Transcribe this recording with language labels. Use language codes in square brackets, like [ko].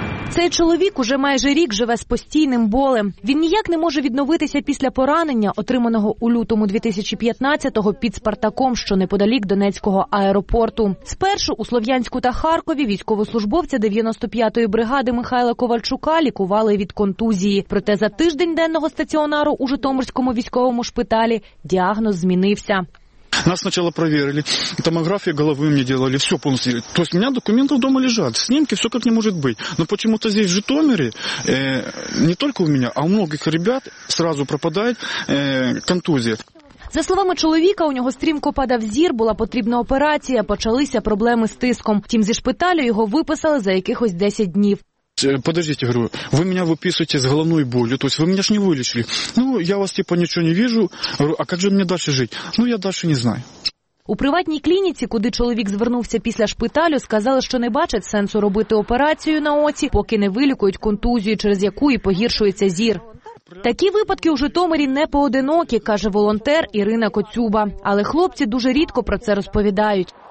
[uk] Цей чоловік уже майже рік живе з постійним болем. Він ніяк не може відновитися після поранення, отриманого у лютому 2015-го під Спартаком, що неподалік Донецького аеропорту. Спершу у Слов'янську та Харкові військовослужбовця 95-ї бригади Михайла Ковальчука лікували від контузії. Проте за тиждень денного стаціонару у Житомирському військовому шпиталі діагноз змінився. [ru] Нас сначала проверили, томографию головы мне делали, все полностью. То есть у меня документы дома лежат, снимки, все как не может быть. Но почему-то здесь, в Житомире, не только у меня, а у многих ребят сразу пропадает контузия. [uk] За словами чоловіка, у нього стрімко падав зір, була потрібна операція, почалися проблеми з тиском. Втім, зі шпиталю його виписали за якихось 10 днів. [ru] Подождите, говорю, вы меня выписываете с головной болью, то есть вы меня ж не вылечили. Ну, я вас типа ничего не вижу, говорю, а как же мне дальше жить? Ну, я дальше не знаю. [uk] У приватній клініці, куди чоловік звернувся після шпиталю, сказали, що не бачать сенсу робити операцію на оці, поки не вилікують контузію, через яку і погіршується зір. Такі випадки у Житомирі не поодинокі, каже волонтер Ірина Коцюба. Але хлопці дуже рідко про це розповідають.